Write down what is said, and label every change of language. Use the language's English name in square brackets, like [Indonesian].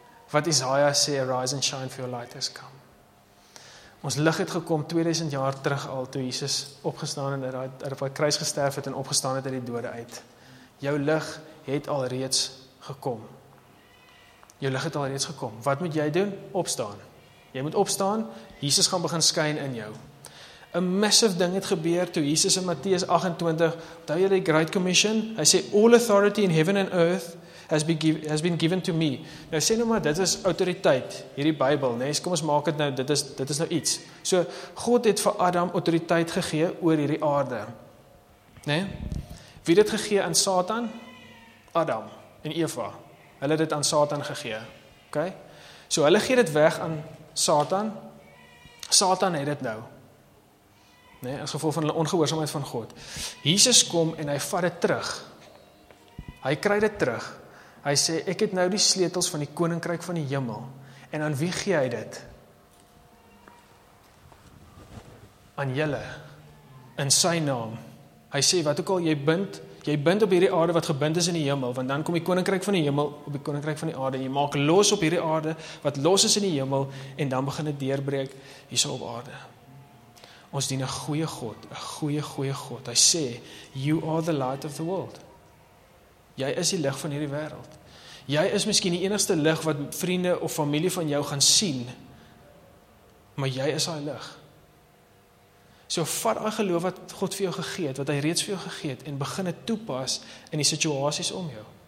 [Afrikaans] Wat Isaiah sê, [English] Arise and shine for your light has come. [Afrikaans] Ons lig het gekom 2000 jaar terug al, toe Jesus opgestaan en op die kruis gesterf het en opgestaan het uit die dode uit. Jou lig het al reeds gekom. Jou lig het al reeds gekom. Wat moet jy doen? Opstaan. Jy moet opstaan, Jesus gaan begin skyn in jou. [English] A massive [Afrikaans] ding het gebeur toe Jesus in Matteus 28, onthou jy die Great Commission, hy sê, [English] All authority in heaven and earth has been given to me. [Afrikaans] Nou sê nou maar, dit is autoriteit, hierdie Bybel, nee, kom ons maak het nou, dit is nou iets. So, God het vir Adam autoriteit gegee oor hierdie aarde. Nee? Wie het dit gegee aan Satan? Adam en Eva. Hulle het dit aan Satan gegee. Okay? So hulle gee dit weg aan Satan. Satan het dit nou. Nee, as gevolg van hulle ongehoorsaamheid van God. Jesus kom en hy vat dit terug. Hy kry dit terug. Hy sê, ek het nou die sleutels van die koninkryk van die hemel. En aan wie gee hy dit? Aan julle. In sy naam. Hy sê, wat ook al jy bind op hierdie aarde wat gebind is in die hemel, want dan kom die koninkryk van die hemel op die koninkryk van die aarde, en jy maak los op hierdie aarde wat los is in die hemel, en dan begin het deurbreek hierso op aarde. Ons dien 'n goeie God, 'n goeie, goeie God. Hy sê, [English] you are the light of the world. [Afrikaans] Jy is die lig van hierdie wêreld. Jy is miskien die enigste lig wat vriende of familie van jou gaan sien, maar jy is daai lig. So vat daai geloof wat God vir jou gegee het, wat hy reeds vir jou gegee het, en begin dit toepas in die situasies om jou.